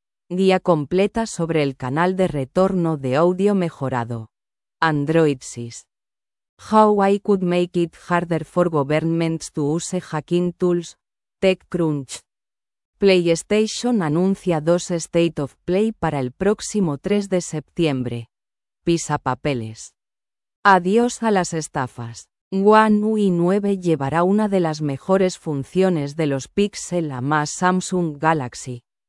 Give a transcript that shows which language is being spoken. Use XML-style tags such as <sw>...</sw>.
<es>Guía completa sobre el canal de retorno de audio mejorado. Android SIS.</es> <en>How I could make it harder for governments to use hacking tools. TechCrunch.</en> <es>PlayStation anuncia 2 State of Play para el próximo 3 de septiembre. Pisa papeles. Adiós a las estafas. One UI 9 llevará una de las mejores funciones de los Pixel a más Samsung Galaxy.</es>